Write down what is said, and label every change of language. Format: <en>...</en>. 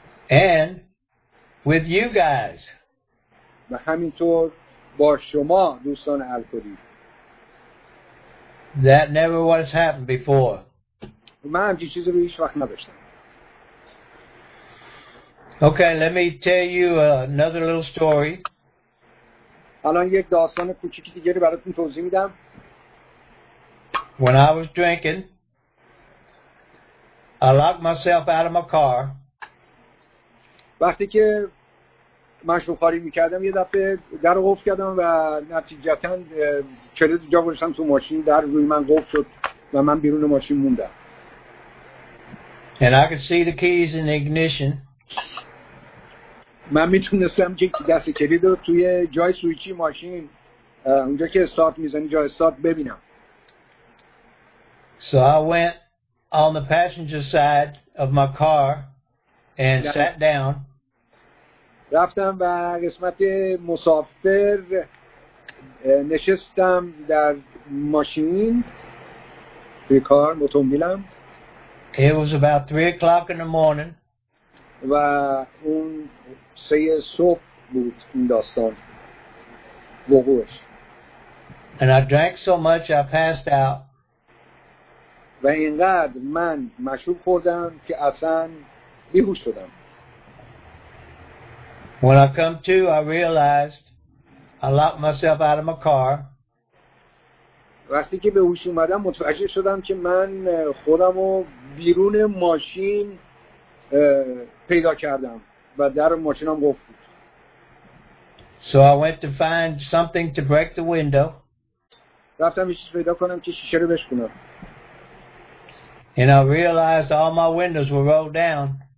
<en>And with you guys.</en> <fa>و همینطور با شما دوستان الکلی.</fa> <en>That never was happened before.</en> <fa>من همچین چیزی رو هیچ وقت نداشتم.</fa> <en>Okay, let me tell you another little story.</en> <fa>الان یک داستان کوچیکی دیگه رو براتون توضیح میدم.</fa> <en>When I was drinking, I locked myself out of my car.</en> <fa>وقتی که مشروب خوری میکردم یه دفعه در رو قفل کردم و نتیجتاً کلید جا گذاشتم تو ماشین، در روی من قفل شد و من بیرون ماشین موندم.</fa> <en>And I could see the keys in the ignition.</en> <fa>من میتونستم که دست کلید رو توی جای سویچی ماشین اونجا که استارت میزنی جای استارت ببینم.</fa> <en>So I went on the passenger side of my car and sat down.</en> <fa>رفتم و قسمت مسافر نشستم در ماشین توی کار اتومبیلم.</fa> <en>It was about 3 o'clock in the morning.</en> <fa>و اون سه صبح بود این داستان وقوعش.</fa> <en>And I drank so much I passed out.</en> <fa>و اینقدر من مشروب خوردم که اصلا بیهوش شدم.</fa> <en>When I come to, I realized I locked myself out of my car.</en> <fa>وقتی که به هوش اومدم متوجه شدم که من خودم رو بیرون ماشین پیدا کردم و در ماشینم قفل بود.</fa> <en>So I went to find something to break the window.</en> <fa>رفتم یه چیز پیدا کنم که شیشه رو بشکنم.</fa> <en>And I realized all my windows were rolled down.</en>